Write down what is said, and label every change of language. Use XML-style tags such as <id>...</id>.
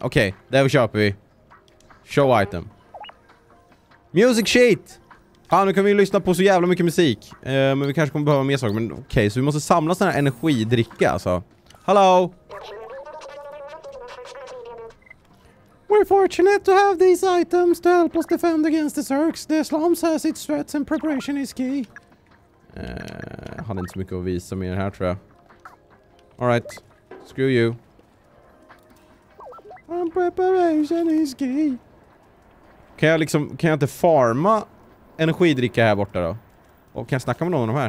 <sv>Okej, okay, där vi köper vi.</sv> <en>Show item. Music sheet.</en> <sv>Ja, nu kan vi ju lyssna på så jävla mycket musik. Men vi kanske kommer behöva mer saker. Men okej, så vi måste samla sådana här energidricka, alltså.</sv> <en>Hello! We're fortunate to have these items to help us defend against the Zergs. The slums has its threats and preparation is key.</en> <sv>Hade inte så mycket att visa mer här, tror jag.</sv> <en>All right. Screw you. And preparation is key.</en> <sv>Kan jag inte farma energidricka här borta då? Och kan jag snacka med någon av de här?</sv>